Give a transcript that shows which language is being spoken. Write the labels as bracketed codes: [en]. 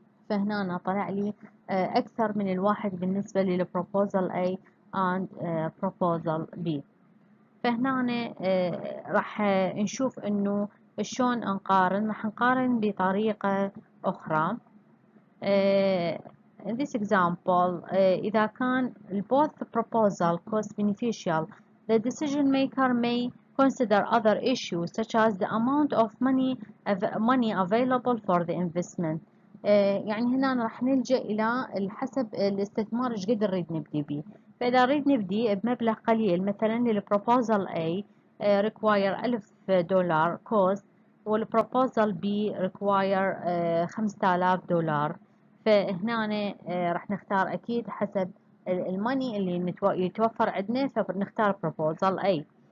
[ar] فهنا أنا طلع لي أكثر من الواحد بالنسبة للبروبوزل [en] A and proposal B [ar] فهنا راح نشوف أنه شلون نقارن راح نقارن بطريقة أخرى [en] in this example [ar] إذا كان [en] both proposal cost beneficial The decision maker may consider other issues such as the amount of money available for the investment. [ar] يعني هنا راح نلجأ إلى حسب الاستثمار ايش قد نريد نبدي به. فإذا نريد نبدي بمبلغ قليل مثلا للبروبوزل A [en] require $1,000 cost [ar] والبروبوزل B [en] require $5,000، [ar] فهنا راح نختار أكيد حسب الماني اللي يتوفر عندنا فبنختار بروبوزل A.